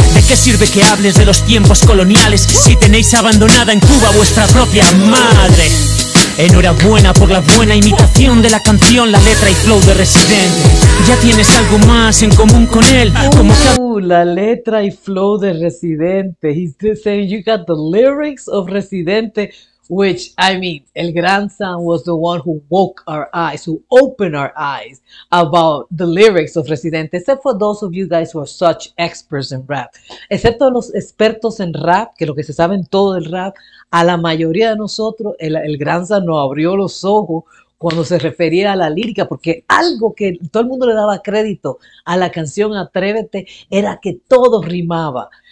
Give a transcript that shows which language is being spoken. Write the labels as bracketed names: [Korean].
[Spanish] ¿De qué sirve que hables de los tiempos coloniales si tenéis abandonada en Cuba vuestra propia madre? Enhorabuena por la buena imitación de la canción, la letra y flow de Residente. Ya tienes algo más en común con él, como que... La letra y flow de Residente. [English] He's just saying you got the lyrics of Residente, which, I mean, el grandson was the one who woke our eyes, who opened our eyes about the lyrics of Residente, except for those of you guys who are such experts in rap. [Spanish] Excepto los expertos en rap, que lo que se saben todo del rap, a la mayoría de nosotros, el grandson nos abrió los ojos cuando se refería a la lírica, porque algo que todo el mundo le daba crédito a la canción Atrévete era que todo rimaba.